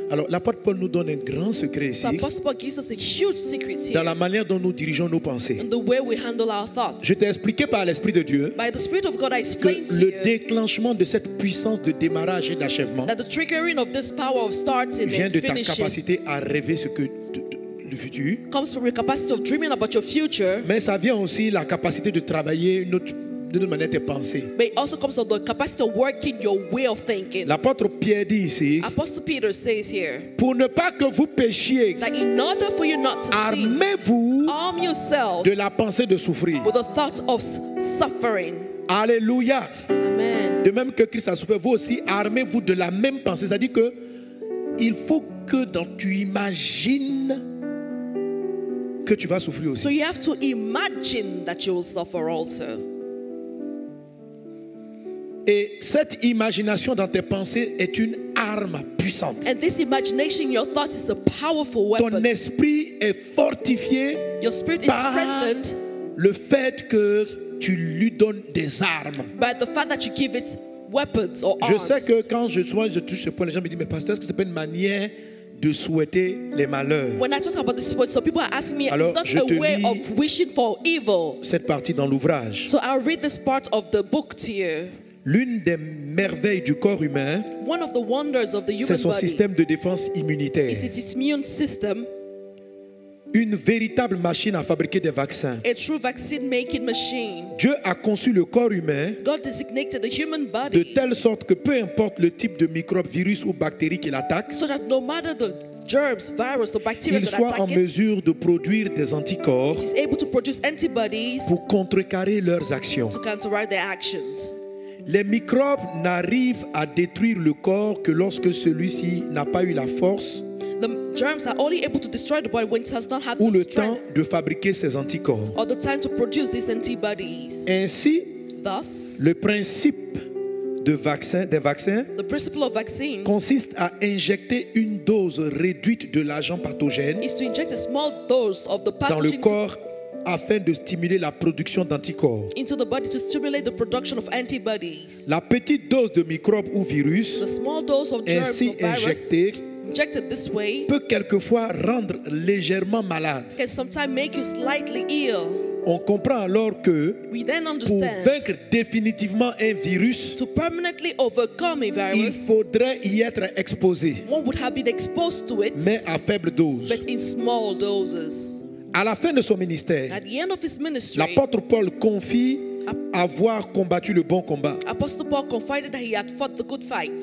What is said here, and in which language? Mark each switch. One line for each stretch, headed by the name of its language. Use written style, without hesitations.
French: Alors, l'apôtre Paul nous donne un grand secret ici.
English: So Apostle Paul gives us a huge secret here,
French: dans la manière dont nous dirigeons nos pensées.
English: In the way we handle our thoughts.
French: Je t'ai expliqué par l'Esprit de Dieu
English: by the Spirit of God, I explained
French: que le déclenchement de cette puissance de démarrage et d'achèvement
English: that the triggering of this power of starting
French: vient de
English: and finishing
French: ta capacité à rêver ce que le futur.
English: Comes from your capacity of dreaming about your future.
French: Mais ça vient aussi la capacité de travailler une autre d'une manière de penser.
English: But it also comes from the capacity of working your way of thinking.
French: L'apôtre Pierre dit ici.
English: Apostle Peter says here.
French: Pour ne pas que vous péchiez.
English: That in order for you not to sin.
French: Armez-vous.
English: Arm yourself.
French: De la pensée de souffrir.
English: With the thought of suffering. Alléluia. Amen.
French: De même que Christ a souffert, vous aussi armez-vous de la même pensée. C'est-à-dire que il faut que dans tu imagines que tu vas souffrir aussi.
English: So you have to imagine that you will suffer also.
French: Et cette imagination dans tes pensées est une arme puissante.
English: And this imagination, your thought, is a powerful weapon.
French: Ton esprit est fortifié.
English: Your spirit is strengthened.
French: Le fait que tu lui donnes des armes.
English: By the fact that you give it weapons or arms.
French: Je sais que quand je touche ce point, les gens me disent, mais pasteur, est-ce que c'est pas une manière de souhaiter les malheurs?
English: When I talk about this point, so people are asking me,
French: alors,
English: it's not a way of wishing for evil.
French: Cette partie dans l'ouvrage.
English: So I'll read this part of the book to you.
French: L'une des merveilles du corps humain,
English: one of the wonders of the human,
French: c'est son système de défense immunitaire.
English: Is its immune system.
French: Une véritable machine à fabriquer des vaccins.
English: A true vaccine-making machine.
French: Dieu a conçu le corps humain,
English: God designated the human body,
French: de telle sorte que peu importe le type de microbe, virus ou bactérie qu'il attaque,
English: so that no matter the germs, virus, the bacteria,
French: il soit en mesure de produire des anticorps,
English: it is able to produce antibodies,
French: pour contrecarrer leurs actions.
English: To counteract their actions.
French: Les microbes n'arrivent à détruire le corps que lorsque celui-ci n'a pas eu la force,
English: the germs are only able to destroy the body when it has not had
French: the temps de fabriquer ces anticorps,
English: or the time to produce these antibodies.
French: Ainsi,
English: thus,
French: le principe de vaccin, des vaccins,
English: the principle of vaccines,
French: consiste à injecter une dose réduite de l'agent pathogène,
English: is to inject a small dose of the pathogen
French: dans le corps afin de stimuler la production d'anticorps.
English: Into the body to stimulate the production of antibodies.
French: La petite dose de microbes ou virus,
English: the small dose of germs,
French: ainsi injectée,
English: injected this way,
French: peut quelquefois rendre légèrement malade.
English: Can sometimes make you slightly ill.
French: On comprend alors que
English: we then understand,
French: pour vaincre définitivement un virus,
English: to permanently overcome a virus,
French: il faudrait y être exposé,
English: one would have been exposed to it,
French: mais à faible dose.
English: But in small doses.
French: À la fin de son ministère,
English: at the end of his ministry,
French: l'apôtre Paul confie avoir combattu le bon combat.
English: Apostle Paul confided that he had fought the good fight.